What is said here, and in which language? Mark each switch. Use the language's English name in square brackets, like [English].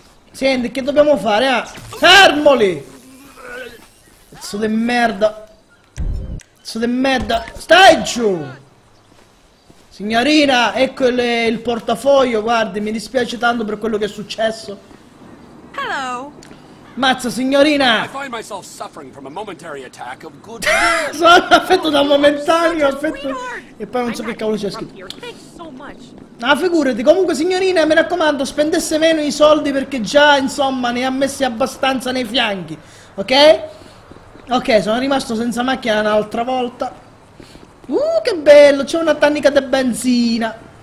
[Italian] Siente, che dobbiamo fare, ah? Fermoli! Pezzo di merda. Pezzo di merda. Stai giù! Signorina, ecco il portafoglio, guardi, mi dispiace tanto per quello che è successo. [English] Hello. [Italian] Mazza, signorina! [English] I find myself suffering from a momentary attack of good. [Italian] Sono affetto da un momentaneo, affetto. E poi non so che cavolo c'è scritto. Ma figurati, comunque signorina, mi raccomando, spendesse meno i soldi perché già, insomma, ne ha messi abbastanza nei fianchi, ok? Ok, sono rimasto senza macchina un'altra volta. Che bello, c'è una tannica di benzina.